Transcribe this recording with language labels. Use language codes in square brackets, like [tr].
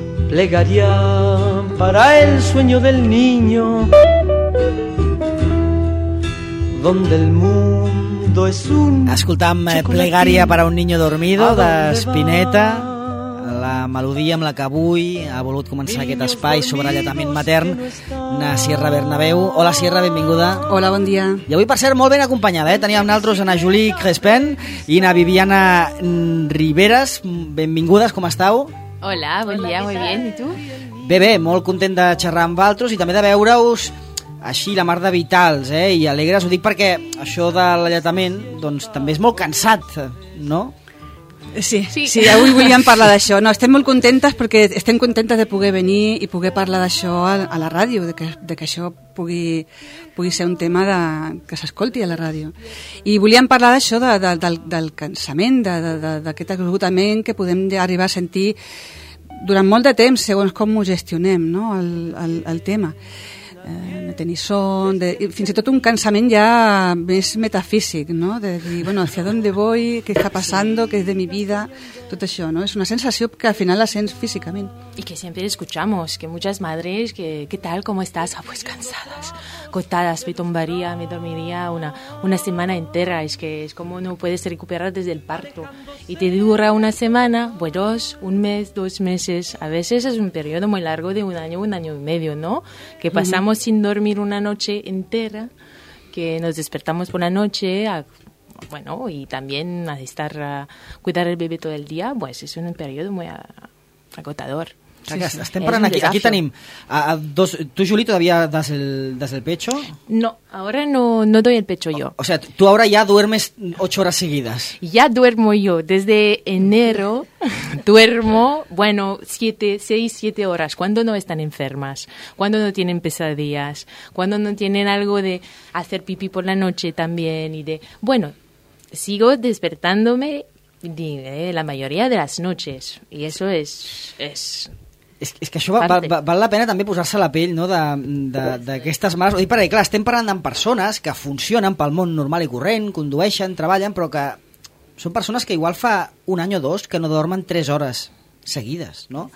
[es] Plegaría para el sueño del niño, donde el mundo es un... [ca] Escoltam Plegaria para un niño dormido, de Spinetta, la melodia amb la que avui ha volut començar aquest espai sobre alletament matern, na Sierra Bernabéu. Hola, Sierra, benvinguda. Hola, bon dia. I avui, per cert, molt ben acompanyada, eh? Teníem naltros a na Juli Crespen i na Viviana Riveras. Benvingudes, com estàu? Hola, bon dia, molt bé, i tu? Bé, bé, molt content de xerrar amb altres i també de veure-us així, la mar de vitals, eh? I alegres, ho dic perquè això de l'alletament, doncs, també és molt cansat, no? Sí, sí, avui volíem parlar d'això. No, estem molt contentes perquè estem contentes de poder venir i poder parlar d'això a la ràdio, de que això pugui ser un tema que s'escolti a la ràdio. I volíem parlar d'això, del cansament, d'aquest esgotament que podem arribar a sentir durant molt de temps, segons com ho gestionem, no, el tema. De tenir son, fins i tot un cansament ja més metafísic, no? [es] De dir, bueno, hacia dónde voy, qué está pasando, qué es de mi vida, [ca] tot això, no? És una sensació que al final la sents físicament. [es] Y que siempre escuchamos, que muchas madres, que ¿qué tal, cómo estás? Ah, pues cansadas, cotadas, me tombaría, me dormiría una semana entera, es que es como no puedes recuperar desde el parto. Y te dura una semana, pues dos, un mes, dos meses, a veces es un periodo muy largo de un año y medio, ¿no? Que pasamos sin dormir una noche entera, que nos despertamos por la noche, bueno, y también a estar a cuidar el bebé todo el día, pues es un periodo muy agotador. [ca] Sí, sí. Estem parlant aquí tenim a dos. [es] Tu, Juli, todavía das el pecho? No, ahora no doy el pecho yo. O sea, tú ahora ya duermes 8 horas seguidas. Ya duermo yo, desde enero duermo, bueno, 6, 7 horas. Cuando no están enfermas, cuando no tienen pesadillas, cuando no tienen algo de hacer pipí por la noche también y de... Bueno, sigo despertándome la mayoría de las noches y eso es... [ca] És que això val la pena també posar-se la pell, no, d'aquestes mares. Ho dic perquè, clar, estem parlant amb persones que funcionen pel món normal i corrent, condueixen, treballen, però que són persones que igual fa un any o dos que no dormen 3 hores seguides, no?